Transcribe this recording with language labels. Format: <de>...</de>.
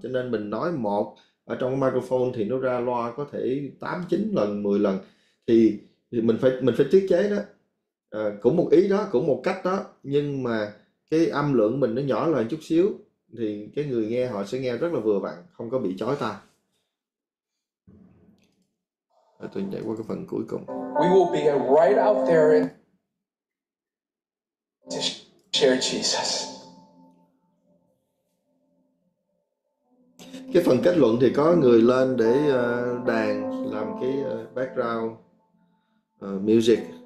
<vi>Cho nên mình nói một ở trong cái microphone thì nó ra loa có thể 8, 9 lần, 10 lần, thì mình phải tiết chế đó. Cũng một ý đó, cũng một cách đó, nhưng mà cái âm lượng mình nó nhỏ lại chút xíu thì cái người nghe họ sẽ nghe rất là vừa vặn, không có bị chói tai. Rồi tôi nhảy qua cái phần cuối cùng.</vi> <en>We will be right out there to share Jesus.</en> <vi>cái phần kết luận thì có người lên để đàn làm cái background music</vi>